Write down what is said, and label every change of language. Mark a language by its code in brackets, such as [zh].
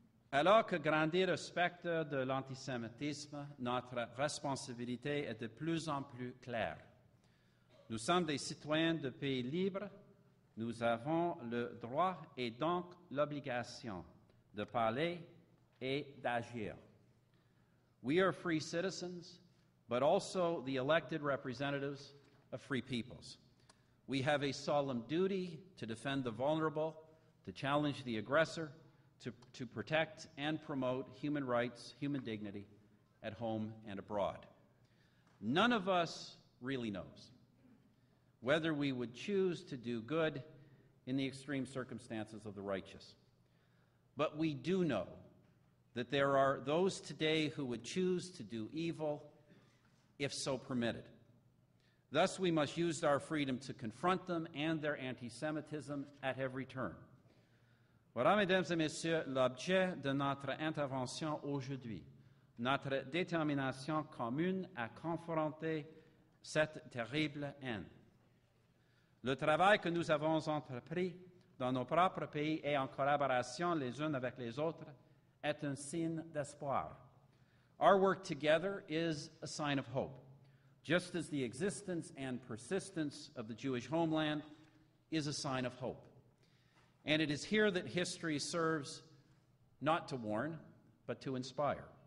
[fr] Alors que grandit le spectre de l'antisémitisme, notre responsabilité est de plus en plus claire. Nous sommes des citoyens de pays libres. Nous avons le droit et donc l'obligation de parler et d'agir. [en] We are free citizens, but also the elected representatives of free peoples. We have a solemn duty to defend the vulnerable, to challenge the aggressor, to protect and promote human rights, human dignity, at home and abroad. None of us really knows whether we would choose to do good in the extreme circumstances of the righteous. But we do know that there are those today who would choose to do evil if so permitted. Thus, we must use our freedom to confront them and their anti-Semitism at every turn. [fr] Voilà, mesdames et messieurs, l'objet de notre intervention aujourd'hui, notre détermination commune à confronter cette terrible haine. Le travail que nous avons entrepris dans nos propres pays et en collaboration les uns avec les autres est un signe d'espoir. [en] Our work together is a sign of hope, just as the existence and persistence of the Jewish homeland is a sign of hope. And it is here that history serves not to warn, but to inspire.